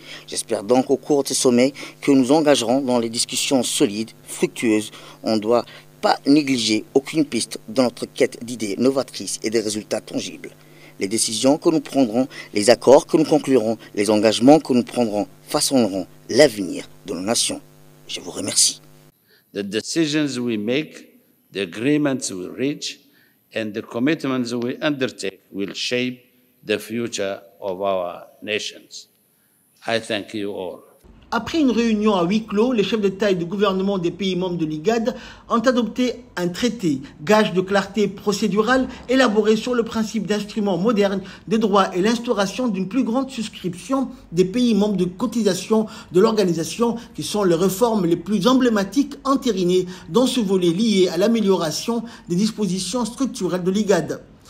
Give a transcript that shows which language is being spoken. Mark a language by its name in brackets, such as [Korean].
[French] J'espère donc au cours de ce sommet que nous engagerons dans les discussions solides, fructueuses. On ne doit pas négliger aucune piste dans notre quête d'idées novatrices et de résultats tangibles. Les décisions que nous prendrons, les accords que nous conclurons, les engagements que nous prendrons façonneront l'avenir de nos nations. Je vous remercie. [English] The decisions we make, the agreements we reach, and the commitments we undertake will shape the future of our nations. I thank you all. [French] Après une réunion à huis clos, les chefs d'État et de gouvernement des pays membres de l'IGAD ont adopté un traité, gage de clarté procédurale, élaboré sur le principe d'instruments modernes de droit et l'instauration d'une plus grande souscription des pays membres de cotisation de l'organisation, qui sont les réformes les plus emblématiques entérinées dans ce volet lié à l'amélioration des dispositions structurelles de l'IGAD.